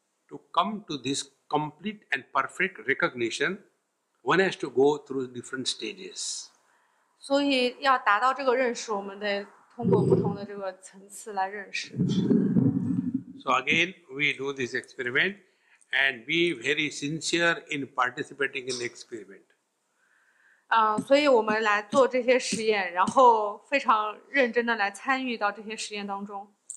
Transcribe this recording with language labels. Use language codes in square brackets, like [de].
[en] to come to this complete and perfect recognition, one has to go through different stages. [zh] 所以要达到这个认识，我们得通过不同的这个层次来认识。 [en] So again, we do this experiment. And be very sincere in participating in the experiment. [zh] 所以我们来做这些实验，然后非常认真地来参与到这些实验当中。